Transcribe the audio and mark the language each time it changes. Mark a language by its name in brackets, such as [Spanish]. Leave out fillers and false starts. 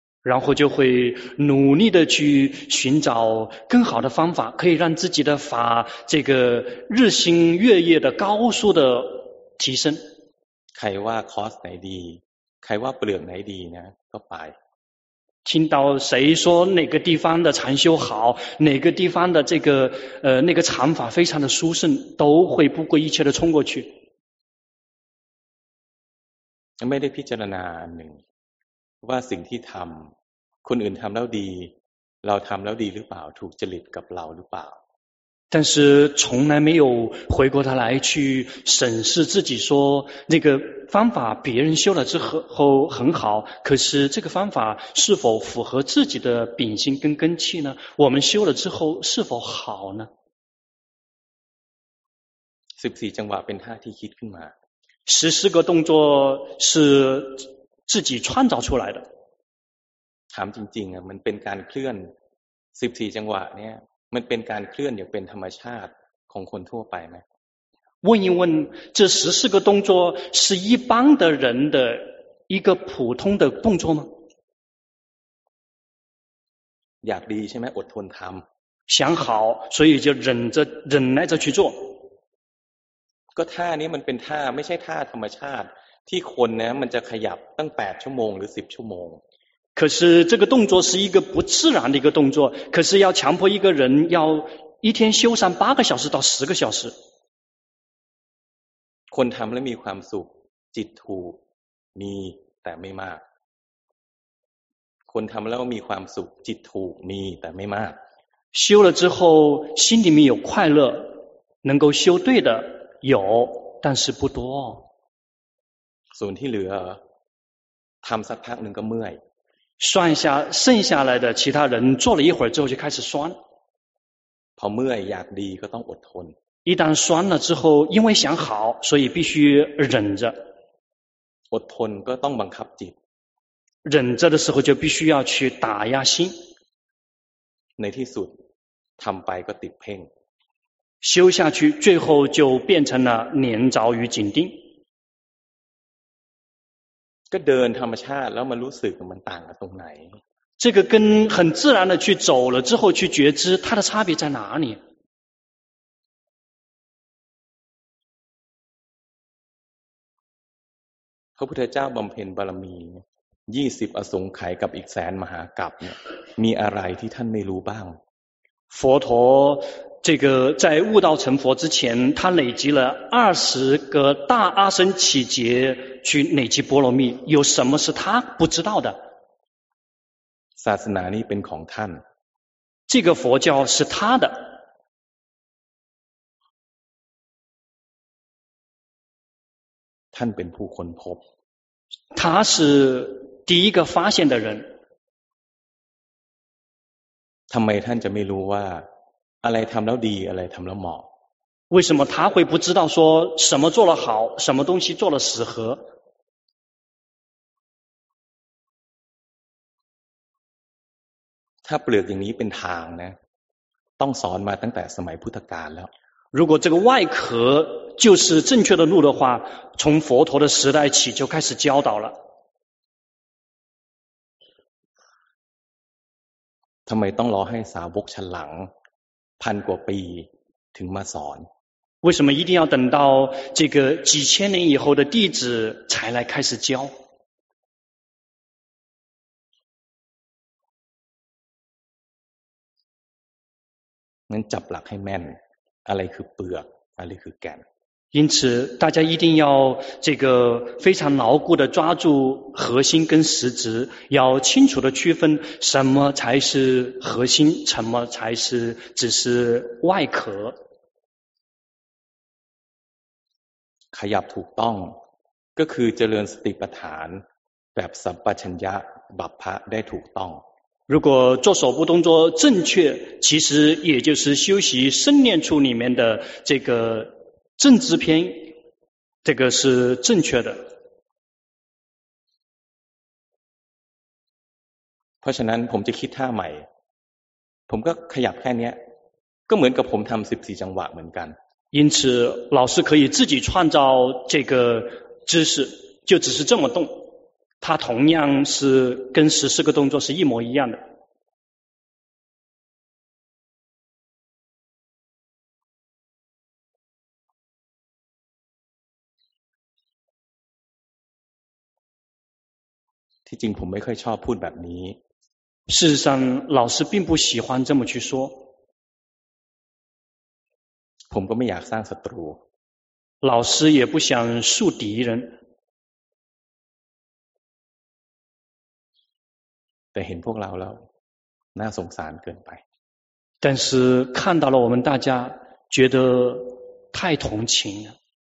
[Chinese] 然后就会努力的去寻找更好的方法可以让自己的法这个日新月异的高速的提升 [Thai] ใครว่าคอร์สไหนดีใครว่าเปลือกไหนดีนะก็ไป [Chinese] 听到谁说哪个地方的禅修好哪个地方的这个那个禅法非常的殊胜都会不顾一切的冲过去 [Thai] ไม่ได้พิจารณาหนึ่งว่าสิ่งที่ทำคนอื่นทำแล้วดีเราทำแล้วดีหรือเปล่าถูกจริตกับเราหรือเปล่า [Chinese] 但是从来没有回过头来去审视自己说那个方法别人修了之后很好可是这个方法是否符合自己的秉性跟根器呢我们修了之后是否好呢 [Thai] 14จังหวะเป็นท่าที่คิดขึ้นมา [Chinese] 14个动作是自己创造出来的 [Thai] ถามจริงๆอ่ะมันเป็นการเคลื่อน14จังหวะเนี่ยมันเป็นการเคลื่อนอย่างเป็นธรรมชาติของคนทั่วไปไหม [Chinese] 问一问这十四个动作是一般的人的一个普通的动作吗 [Thai] อยากดีใช่ไหมอดทนทำ [Chinese] 想好所以就忍着忍耐着去做 [Thai] ก็ท่านี้มันเป็นท่าไม่ใช่ท่าธรรมชาติที่คนนะมันจะขยับตั้ง8ชั่วโมงหรือ10ชั่วโมง [Chinese] 可是这个动作是一个不自然的一个动作可是要强迫一个人要一天修上8个小时到10个小时 [Thai] คนทำแล้วมีความสุขจิตถูกมีแต่ไม่มากคนทำแล้วมีความสุขจิตถูกมีแต่ไม่มาก [Chinese] 修了之后心里面有快乐能够修对的有但是不多 [Thai] ส่วนที่เหลือทำสักพักหนึ่งก็เมื่อย [Chinese] 算下剩下来的其他人做了一会儿之后就开始酸 [Thai] พอเมื่อยอยากดีก็ต้องอดทน [Chinese] 一旦酸了之后因为想好所以必须忍着 [Thai] อดทนก็ต้องบังคับจิต [Chinese] 忍着的时候就必须要去打压心 [Thai] ในที่สุดทำไปก็ติดเพ่ง [Chinese] 修下去最后就变成了黏着与紧盯 [Thai] ก็เดินธรรมชาติแล้วมารู้สึกมันต่างกันตรงไหน [Chinese] 这个跟很自然的去走了之后去觉知它的差别在哪里 [Thai] พระพุทธเจ้าบำเพ็ญบารมี20อสงไขยกับอีกแสนมหากัปเนี่ยมีอะไรที่ท่านไม่รู้บ้าง [Chinese] 佛陀这个在悟道成佛之前，他累积了20个大阿僧祇劫去累积波罗蜜，有什么是他不知道的？ [Thai] ศาสนานี้เป็นของท่าน。 [Chinese] 这个佛教是他的。 [Thai] ท่านเป็นผู้ค้นพบ。 [Chinese] 他是第一个发现的人。 [Thai] ทำไมท่านจะไม่รู้ว่าอะไรทำแล้วดีอะไรทำแล้วเหมาะ [Chinese] 为什么他会不知道说什么做了好什么东西做了适合 [Thai] ถ้าเปลือกอย่างนี้เป็นทางนะต้องสอนมาตั้งแต่สมัยพุทธกาลแล้ว [Chinese] 如果这个外壳就是正确的路的话从佛陀的时代起就开始教导了 [Thai] ทำไมต้องรอให้สาวกฉลังพันกว่าปีถึงมาสอน [Chinese] 为什么一定要等到这个几千年以后的弟子才来开始教 [Thai] งั้นจับหลักให้แม่นอะไรคือเปลือกอะไรคือแก่น [Chinese] 因此大家一定要这个非常牢固的抓住核心跟实质要清楚的区分什么才是核心什么才是只是外壳 [Thai] ขยับถูกต้องก็คือเจริญสติปัฏฐานแบบสัมปชัญญะบัพพะได้ถูกต้อง [Chinese] 如果做手部动作正确其实也就是修习身念处里面的这个正知篇这个是正确的 [Thai] เพราะฉะนั้นผมจะคิดท่าใหม่ผมก็ขยับแค่นี้ก็เหมือนกับผมทำ14จังหวะเหมือนกัน [Chinese] 因此老师可以自己创造这个姿势就只是这么动它同样是跟14个动作是一模一样的 [Thai] จริงผมไม่ค่อยชอบพูดแบบนี้ [Chinese] 事实上老师并不喜欢这么去说 [Thai] ผมก็ไม่อยากสร้างศัตรู [Chinese] 老师也不想树敌人 [Thai] แต่เห็นพวกเราแล้วน่าสงสารเกินไป [Chinese] 但是看到了我们大家觉得太同情了